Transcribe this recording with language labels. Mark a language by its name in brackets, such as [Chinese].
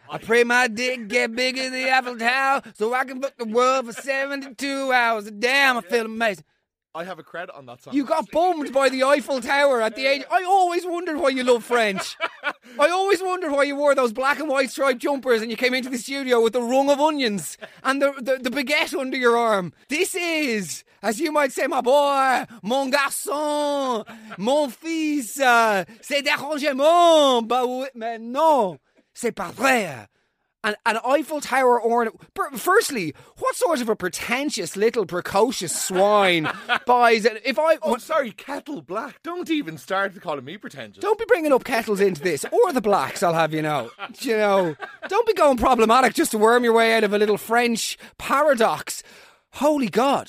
[English] I pray my dick get bigger than the Eiffel Tower so I can fuck the world for 72 hours. Damn, I feel amazing. I have a credit on that song. You got bummed by the Eiffel Tower at the age. I always wondered why you love French. I always wondered why you wore those black and white striped jumpers and you came into the studio with a rung of onions and the baguette under your arm. This is, as you might say, my boy, [French] mon garçon, mon fils, c'est dérangement, mais non, c'est pas vrai. [English] An Eiffel Tower ornament. Firstly, what sort of a pretentious little precocious swine buys it? If I, Kettle Black. Don't even start calling me pretentious. Don't be bringing up kettles into this, or the blacks, I'll have you know. You know, don't be going problematic just to worm your way out of a little French paradox. Holy God.